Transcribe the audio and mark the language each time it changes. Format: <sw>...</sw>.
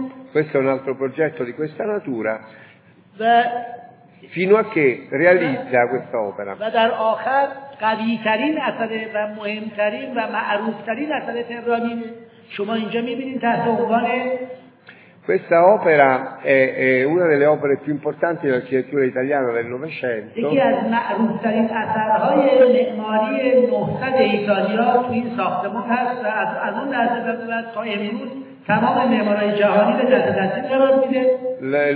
<it>Questo è un altro progetto di questa natura. Fino a che realizza questa opera.</it> <fa>قوی ترین اثر و مهمترین و معروف ترین اثر تهرانی شما اینجا میبینید تحت عنوان</fa> <it>Questa opera è una delle opere più importanti dell'architettura italiana del Novecento.</it> <fa>یکی از معروف‌ترین اثرهای معماری نهضت ایتالیا تو این ساختمان هست و از اون لحظه به بعد تا امروز تمام معماری جهانی به دست تحصیل قرار میده.</fa>